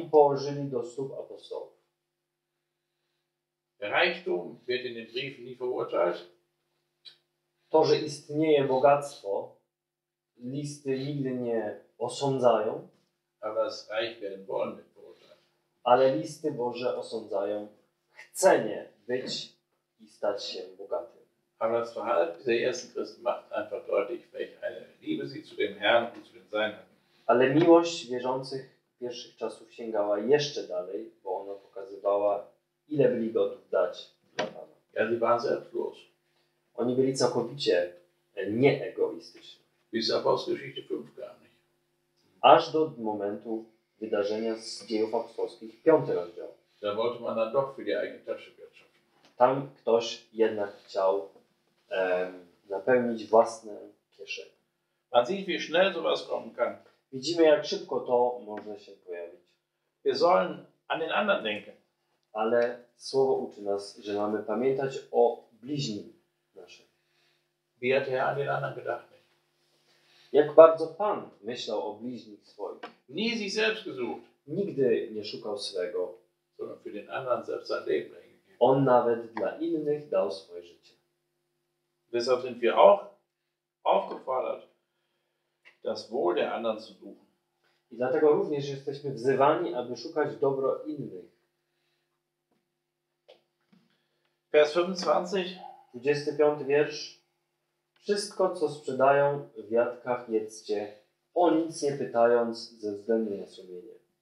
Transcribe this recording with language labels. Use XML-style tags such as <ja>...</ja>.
<pl>I położyli do stóp apostołów.</pl> <de>Reichtum wird in den Briefen nie verurteilt.</de> <pl>To, że istnieje bogactwo, listy nigdy nie osądzają.</pl> <de>Aber es reich werden wollen.</de> <pl>Ale listy Boże osądzają chcenie być i stać się bogatym.</pl> <de>Aber das Verhalten der ersten Christen macht einfach deutlich, welche Liebe sie zu dem Herrn i zu den Seinen hatten.</de> <pl>Ale miłość wierzących pierwszych czasów sięgała jeszcze dalej, bo ona pokazywała, ile byli gotów dać dla Pana.</pl> <de>Ja, sie waren selbstlos.</de> <pl>Oni byli całkowicie nieegoistyczni.</pl> <de>Bis Apostelgeschichte 5 gar nicht.</de> <pl>Aż do momentu wydarzenia z dziejów apostolskich, piąty rozdział.</pl> <de>Da wollte man dann doch für die eigene Tasche wirtschaften.</de> <pl>Tam ktoś jednak chciał napełnić własne kieszenie.</pl> <de>Man sieht, wie schnell sowas kommen kann.</de> <pl>Widzimy, jak szybko to może się pojawić.</pl> <de>Wir sollen an den anderen denken.</de> <pl>Ale słowo uczy nas, że mamy pamiętać o bliźnim naszym.</pl> <de>Wie hat er an den anderen gedacht?</de> <pl>Jak bardzo Pan myślał o bliźnich swoich.</pl> <de>Nie sich selbst gesucht.</de> <pl>Nigdy nie szukał swego.</pl> <de>Sondern für den anderen selbst sein Leben bringen.</de> <pl>On nawet dla innych dał swoje życie.</pl> <de>Deshalb sind wir auch aufgefordert, das Wohl der anderen zu suchen.</de> <pl>I dlatego również jesteśmy wzywani, aby szukać dobro innych.</pl> <de>Vers 25.</de> <pl>25 wiersz. Wszystko, co sprzedają w jatkach, jedzcie, o nic nie pytając ze względu na sumienie.</pl>